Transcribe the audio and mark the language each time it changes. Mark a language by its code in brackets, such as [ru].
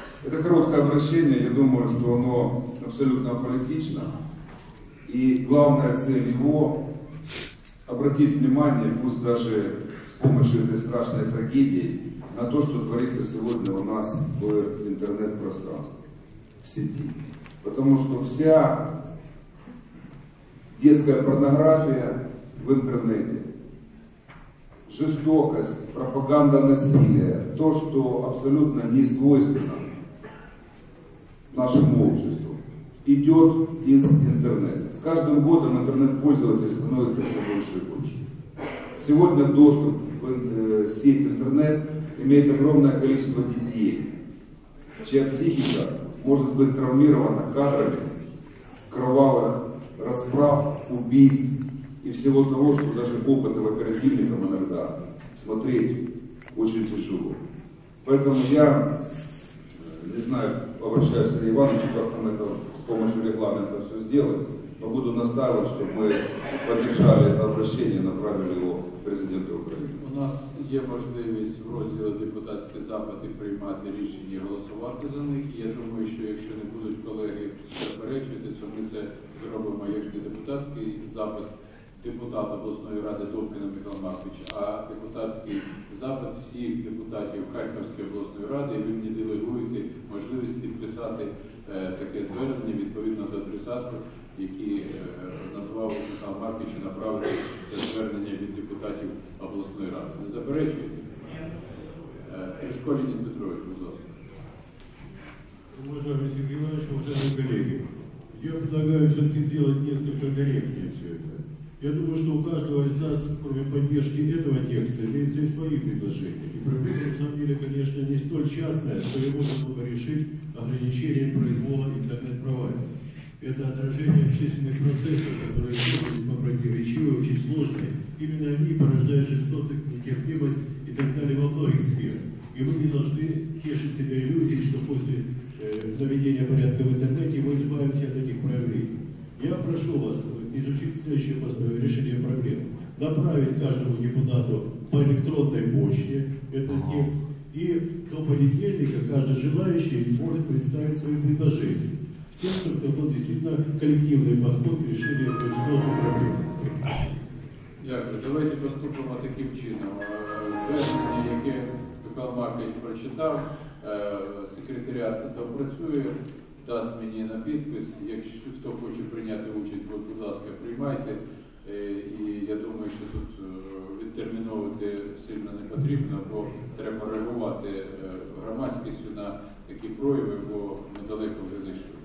[uk] Це коротке обращення, я думаю, що воно абсолютно політичне. І головне це його, обратіть увагу, пусть навіть з допомогою цієї страшної трагедії, на те, що твориться сьогодні у нас в інтернет-пространстві, в сіті. [ru] Потому что вся детская порнография в интернете, жестокость, пропаганда насилия, то, что абсолютно не свойственно нашему обществу, идет из интернета. С каждым годом интернет-пользователей становится все больше и больше. Сегодня доступ в сеть интернет имеет огромное количество детей, чья психика может быть травмирована кадрами кровавых расправ, убийств и всего того, что даже опытным оперативникам иногда смотреть очень тяжело. Поэтому я, не знаю, обращаюсь к Сергею Ивановичу, как нам это с помощью регламента все сделать, но буду настаивать, чтобы мы поддержали это обращение, направили его президенту Украины. У нас є можливість в розділі депутатські запити приймати рішення і голосувати за них. Я думаю, що якщо не будуть колеги заперечувати, то ми це зробимо як не депутатський запит депутата обласної ради Довкіна Михайла Марковича, а депутатський запит всіх депутатів Харківської обласної ради. І ви мені делегуєте можливість підписати таке звернення відповідно до адресату, який назвав Михайло Маркович, направив це звернення від депутатів обласної ради. Не заперечуєте? Стрижко Леонід Петрович, будь ласка. Уважаемый Сергей Иванович, уважаемые коллеги, я предлагаю все-таки сделать несколько корректнее все это. Я думаю, что у каждого из нас, кроме поддержки этого текста, имеется и свои предложения. И проблема, на самом деле, конечно, не столь частная, что его можно решить ограничением произвола интернет-провайдера. общественных процессов, которые демокративо-речивые, очень сложные. Именно они порождают жестокость, нетерпимость и так далее во многих сферах. И мы не должны тешить себя иллюзией, что после наведения порядка в интернете мы избавимся от этих проявлений. Я прошу вас изучить следующее решение проблемы. Направить каждому депутату по электронной почте этот текст, и до понедельника каждый желающий сможет представить свои предложения. Всем, кто был действительно коллективный подход к решению большинства проблем. [uk] Дякую. Давайте поступим таким чином. Звернення, яке Михайло Маркович прочитав, секретаріат допрацює, дасть мені на підпис. Якщо хто хоче прийняти участь, будь ласка, приймайте. І я думаю, що тут відтерміновувати сильно не потрібно, бо треба реагувати громадськістю на такі прояви, бо ми далеко вже зайшли.